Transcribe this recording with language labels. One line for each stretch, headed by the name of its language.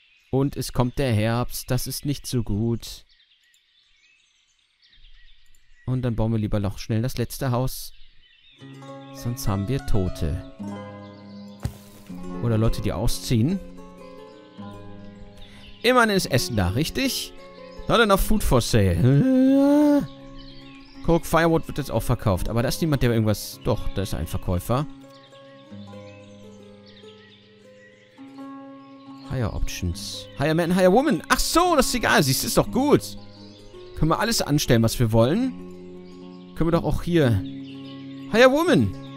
German: Und es kommt der Herbst. Das ist nicht so gut. Und dann bauen wir lieber noch schnell das letzte Haus. Sonst haben wir Tote. Oder Leute, die ausziehen. Immerhin ist Essen da, richtig?
English: Not enough food for sale.
German: Guck, Firewood wird jetzt auch verkauft. Aber da ist niemand, der irgendwas... Doch, da ist ein Verkäufer.
English: Higher Options. Higher Man, Higher Woman.
German: Ach so, das ist egal. Siehst du, ist doch gut. Können wir alles anstellen, was wir wollen. Können wir doch auch hier... Higher Woman.